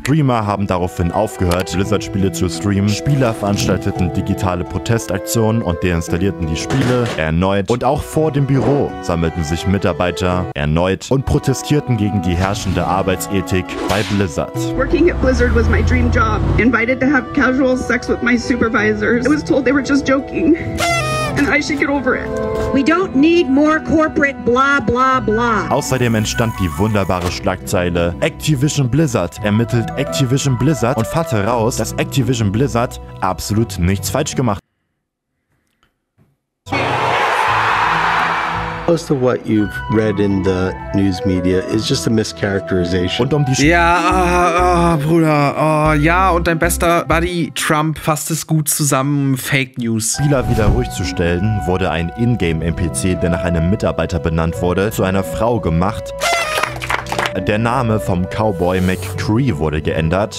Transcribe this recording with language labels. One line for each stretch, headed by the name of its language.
German: Streamer haben daraufhin aufgehört, Blizzard-Spiele zu streamen, Spieler veranstalteten digitale Protestaktionen und deren installierten die Spiele erneut und auch vor dem Büro sammelten sich Mitarbeiter erneut und protestierten gegen die herrschende Arbeitsethik bei Blizzard.
English: Working at Blizzard was my dream job. Invited to have casual sex with my supervisors. I was told they were just joking. And I should get over it. We don't need more corporate blah blah blah.
German: Außerdem entstand die wunderbare Schlagzeile Activision Blizzard ermittelt Activision Blizzard und fand heraus, dass Activision Blizzard absolut nichts falsch gemacht.
English: Most of what you've read in the news media is just a mischaracterization.
German: Und um die Bruder, ja, und dein bester Buddy Trump fasst es gut zusammen, Fake News. Spieler wieder ruhig zu stellen, wurde ein Ingame-NPC, der nach einem Mitarbeiter benannt wurde, zu einer Frau gemacht. Der Name vom Cowboy McCree wurde geändert.